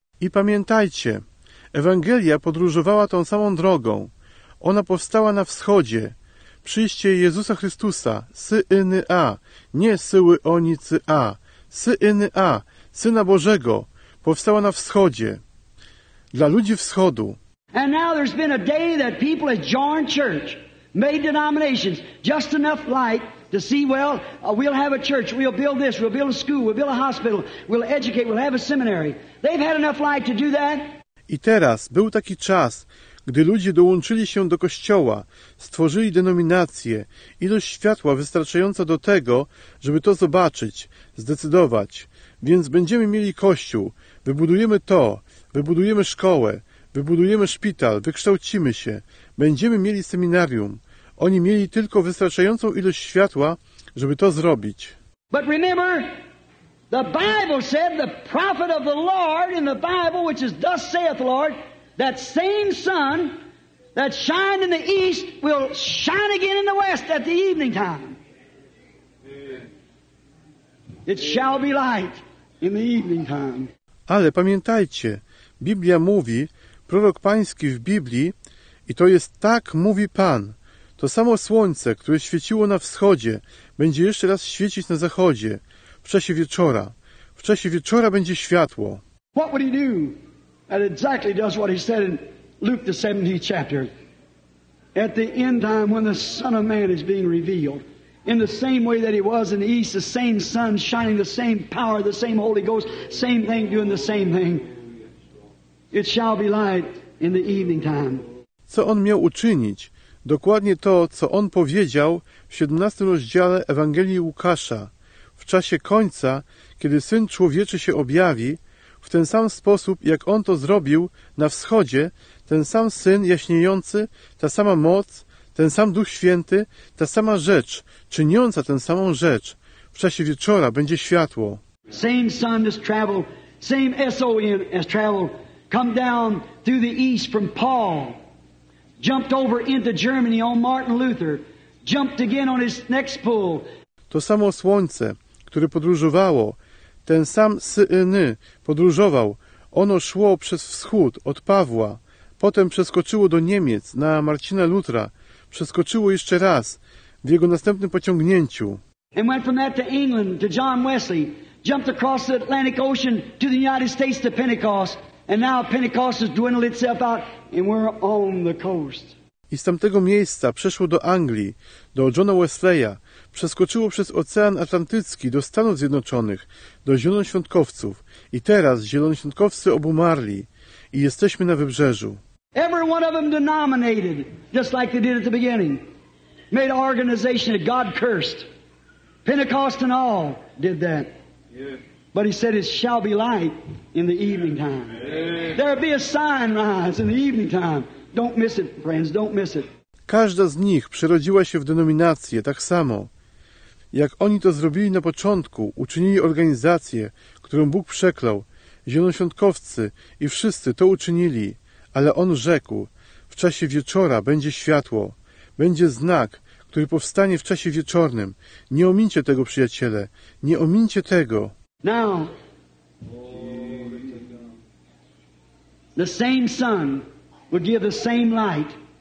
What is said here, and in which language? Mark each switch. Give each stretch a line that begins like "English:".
Polish: I pamiętajcie, Ewangelia podróżowała tą samą drogą. Ona powstała na wschodzie. Przyjście Jezusa Chrystusa, S-Y-N-A, nie S-Y-O-N-I-C-A, S-Y-N-A, Syna Bożego, powstała na wschodzie. Dla ludzi wschodu.
English: And now there's been a day that people have joined church, made denominations, just enough light to see, well, we'll have a church, we'll build this, we'll build a school, we'll build a hospital, we'll educate, we'll have a seminary. They've had enough light to do that.
Polish: I teraz był taki czas, gdy ludzie dołączyli się do kościoła, stworzyli denominację, ilość światła wystarczająca do tego, żeby to zobaczyć, zdecydować. Więc będziemy mieli kościół, wybudujemy to, wybudujemy szkołę, wybudujemy szpital, wykształcimy się, będziemy mieli seminarium. Oni mieli tylko wystarczającą ilość światła, żeby to zrobić.
English: But remember, the Bible said the prophet of the Lord in the Bible, which is thus saith the Lord, that same sun that shined in the east will shine again in the west at the evening time. It shall be light in the evening time.
Polish: Ale pamiętajcie, Biblia mówi, prorok pański w Biblii, i to jest tak, mówi Pan, to samo słońce, które świeciło na wschodzie, będzie jeszcze raz świecić na zachodzie, w czasie wieczora. W czasie wieczora będzie światło.
English: What would he do? That exactly does what he said in Luke the 17th chapter. At the end time when the Son of Man is being revealed, in the same way that he was in the east, the same sun shining, the same power, the same Holy Ghost, same thing, doing the same thing. It shall be light in the evening time.
Polish: Co on miał uczynić? Dokładnie to, co on powiedział w 17 rozdziale Ewangelii Łukasza. W czasie końca, kiedy Syn Człowieczy się objawi, w ten sam sposób, jak on to zrobił na wschodzie, ten sam Syn jaśniejący, ta sama moc, ten sam Duch Święty, ta sama rzecz, czyniąca tę samą rzecz, w czasie wieczora będzie światło.
English: Same sun has traveled, same S-O-N has traveled, come down through the east from Paul, jumped over into Germany on Martin Luther, jumped again on his next pull.
Polish: To samo słońce, które podróżowało, ten sam S-Y-N podróżował, ono szło przez wschód od Pawła, potem przeskoczyło do Niemiec na Marcina Lutra, przeskoczyło jeszcze raz w jego następnym pociągnięciu.
English: And went from that to England, to John Wesley, jumped across the Atlantic Ocean to the United States to Pentecost. And now Pentecost has dwindled itself out, and we're on the coast.
Polish: I z tamtego miejsca przeszło do Anglii, do Johna Wesleya, przeskoczyło przez Ocean Atlantycki do Stanów Zjednoczonych, do Zielonoświątkowców. I teraz Zielonoświątkowcy obumarli i jesteśmy na wybrzeżu.
English: Every one of them denominated, just like they did at the beginning. Made an organization that God cursed. Pentecost and all did that. Yeah. But he said it shall be light in the evening time. There'll be a sign rise in the evening time. Don't miss it, friends, don't miss it.
Polish: Każda z nich przerodziła się w denominację tak samo. jak oni to zrobili na początku, uczynili organizację, którą Bóg przeklął, zielonoświątkowcy i wszyscy to uczynili, ale on rzekł, w czasie wieczora będzie światło, będzie znak, który powstanie w czasie wieczornym. Nie omincie tego, przyjaciele, nie omincie tego.
English: Now, the same sun will give the same light.